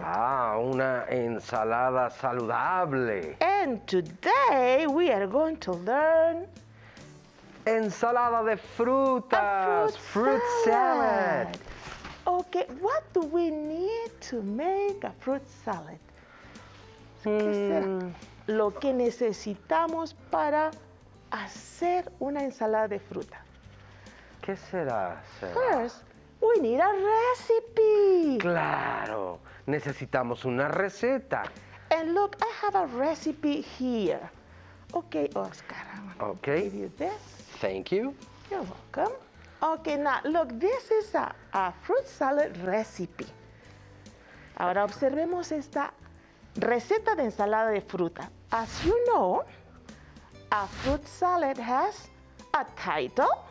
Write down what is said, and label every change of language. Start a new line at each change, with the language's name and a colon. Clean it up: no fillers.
Spanish: Ah, una ensalada saludable.
English: And today we are going to learn...
Spanish: Ensalada de frutas.
English: A fruit salad. Okay, what do we need to make a fruit salad?
Spanish: ¿Qué será? Lo que necesitamos para hacer una ensalada de fruta. ¿Qué será, será?
English: First, we need a recipe.
Spanish: Claro, necesitamos una receta.
English: And look, I have a recipe here. Okay, Oscar, I'm gonna give you this. Thank you. You're welcome. Okay, now look, this is a fruit salad recipe.
Spanish: Ahora observemos esta receta de ensalada de fruta.
English: As you know, a fruit salad has a title.